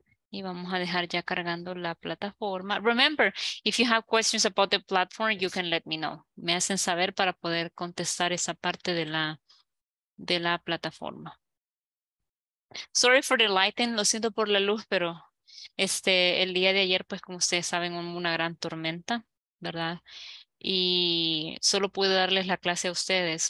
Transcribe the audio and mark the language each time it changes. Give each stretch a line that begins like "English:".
Spanish: Y vamos a dejar ya cargando la plataforma.
English: Remember, if you have questions about the platform, you can let me know.
Spanish: Me hacen saber para poder contestar esa parte de la plataforma.
English: Sorry for the lighting,
Spanish: lo siento por la luz, pero el día de ayer, pues como ustedes saben, hubo una gran tormenta, ¿verdad? Y solo pude darles la clase a ustedes.